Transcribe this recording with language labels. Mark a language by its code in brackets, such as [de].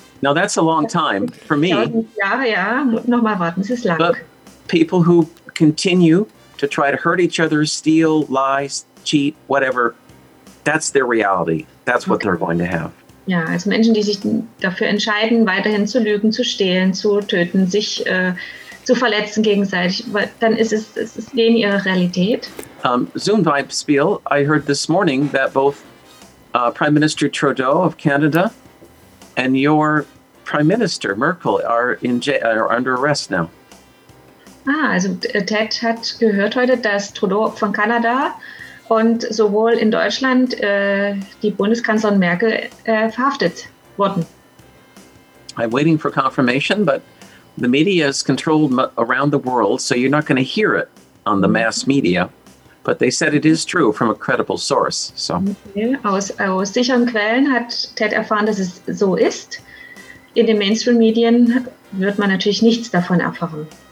[en] Now that's a long time for me. [de] Ja, nochmal warten. Es ist lang. [en] But people who continue to try to hurt each other, steal, lie, cheat, whatever, that's their reality. That's what they're going to have. [de] Ja, also Menschen, die sich dafür entscheiden, weiterhin zu lügen, zu stehlen, zu töten, sich zu verletzen gegenseitig, weil dann ist es denen ihre Realität. [en] Zoom Vibe Spiel, I heard this morning that both Prime Minister Trudeau of Canada and your Prime Minister Merkel are under arrest now. [de] Ah, also Ted hat gehört heute, dass Trudeau von Kanada und sowohl in Deutschland die Bundeskanzlerin Merkel verhaftet wurden. [en] I'm waiting for confirmation, but the media is controlled around the world, so you're not going to hear it on the mass media. But they said it is true from a credible source. So. Okay. [de] Aus sicheren Quellen hat Ted erfahren, dass es so ist. In den Mainstream-Medien wird man natürlich nichts davon erfahren.